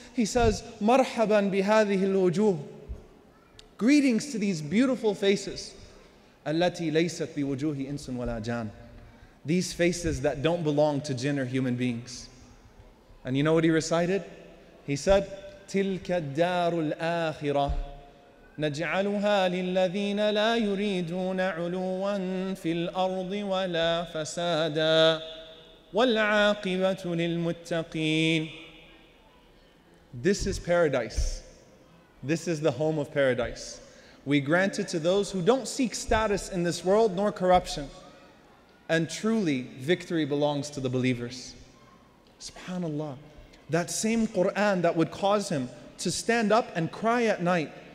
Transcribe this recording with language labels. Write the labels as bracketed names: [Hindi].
[English] He says, [Arabic] Marhaban bihadhihi alwujuh. [English] Greetings to these beautiful faces. [Arabic] Allati laysat biwujuhi insun wala jan. [English] These faces that don't belong to jinn or human beings. And you know what he recited? He said, [Arabic] Tilka darul akhirah. نجعلها للذين لا يريدون علوا في الأرض ولا فسادا والعاقبة للمتقين. [English] This is paradise. This is the home of paradise. We grant it to those who don't seek status in this world nor corruption. And truly, victory belongs to the believers. SubhanAllah. That same Quran that would cause him to stand up and cry at night.